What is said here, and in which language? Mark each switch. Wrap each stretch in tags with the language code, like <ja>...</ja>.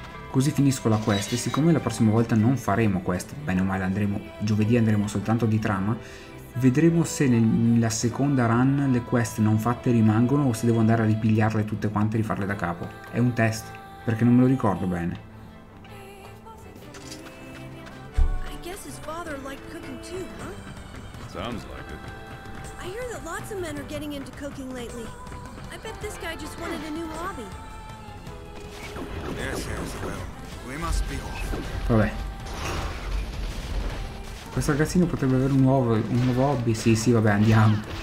<it>Così finisco la quest. E siccome la prossima volta non faremo quest, bene o male andremo. Giovedì andremo soltanto di trama. Vedremo se nella seconda run le quest non fatte rimangono o se devo andare a ripigliarle tutte quante e rifarle da capo. È un test, perché non me lo ricordo bene.</it> <en>I guess his father liked cooking too, huh? Sounds like it. I hear that lots of men are getting into cooking lately. I bet this guy just wanted a new hobby. Yes, yes, well, we must be off.</en> <it>Vabbè. Questo ragazzino potrebbe avere un nuovo hobby. Sì, vabbè, andiamo.</it>